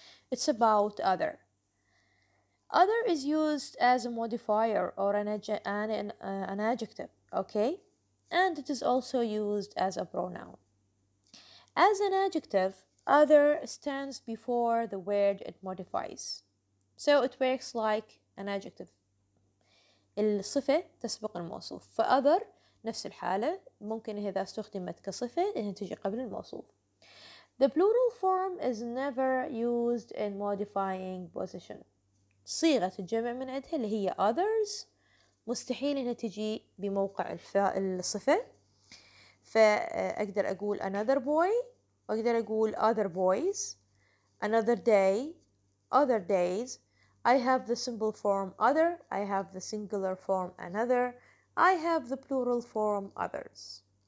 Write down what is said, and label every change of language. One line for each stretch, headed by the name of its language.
English: It's about other. Other is used as a modifier or an adjective, okay? And it is also used as a pronoun. As an adjective, other stands before the word it modifies. So it works like an adjective.
Arabic: الصفة تسبق الموصوف. فأذر نفس الحالة ممكن إذا استخدمت كصفة إنها تجي قبل الموصوف.
English: The plural form is never used in modifying position.
Arabic: صيغة الجمع من عندها اللي هي
English: others
Arabic: مستحيل إنها تجي بموقع الصفة. فأقدر أقول
English: another boy
Arabic: وأقدر أقول
English: other boys, another day, other days. I have the simple form other, I have the singular form another, I have the plural form others.